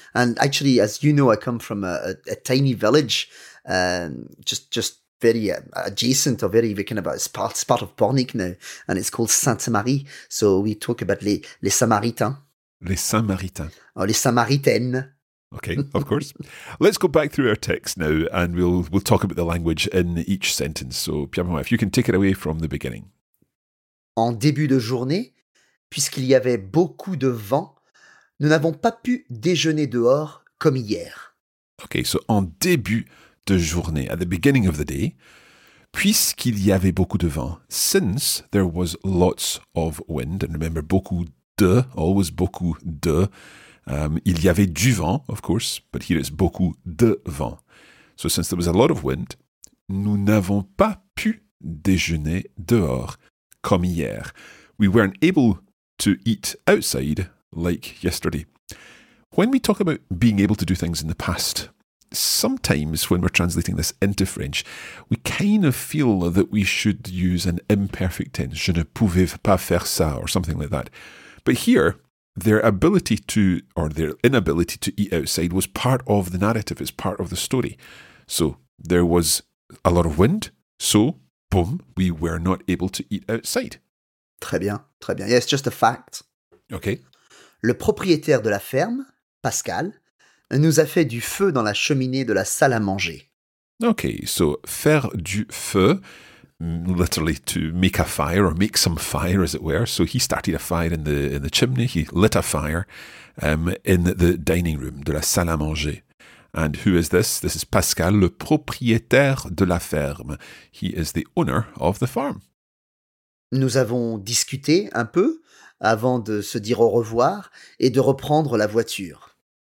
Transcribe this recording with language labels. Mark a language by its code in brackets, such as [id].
[en] And actually, as you know, I come from a tiny village, just very adjacent or very kind of it's part of Pornic now, and it's called Sainte-Marie. So we talk about [fr] les Samaritains. Les Samaritains. Oh, les Samaritaines. [en] Okay, of course. Let's go back through our text now, and we'll talk about the language in each sentence. So, Pierre-Benoît, if you can take it away from the beginning. [fr] En début de journée, puisqu'il y avait beaucoup de vent, nous n'avons pas pu déjeuner dehors comme hier. [en] Okay, so [fr] en début de journée, [en] at the beginning of the day, [fr] puisqu'il y avait beaucoup de vent, [en] since there was lots of wind, and remember, [fr] beaucoup de, [en] always beaucoup de, [fr] il y avait du vent, [en] of course, but here it's [fr] beaucoup de vent. [en] So since there was a lot of wind, [fr] nous n'avons pas pu déjeuner dehors comme hier. [en] We weren't able to eat outside like yesterday. When we talk about being able to do things in the past, sometimes when we're translating this into French, we kind of feel that we should use an imperfect tense, [fr] je ne pouvais pas faire ça, [en] or something like that. But here, their ability to, or their inability to eat outside was part of the narrative, it's part of the story. So, there was a lot of wind, so, boom, we were not able to eat outside. [fr] Très bien, très bien. [en] Yeah, it's just a fact. Okay. [fr] Le propriétaire de la ferme, Pascal, nous a fait du feu dans la cheminée de la salle à manger. [en] Okay, so, [fr] faire du feu, [en] literally to make a fire or make some fire, as it were. So he started a fire in the chimney. He lit a fire in the dining room, [fr] de la salle à manger. [en] And who is this? This is [fr] Pascal, le propriétaire de la ferme. [en] He is the owner of the farm. [fr] Nous avons discuté un peu avant de se dire au revoir et de reprendre la voiture.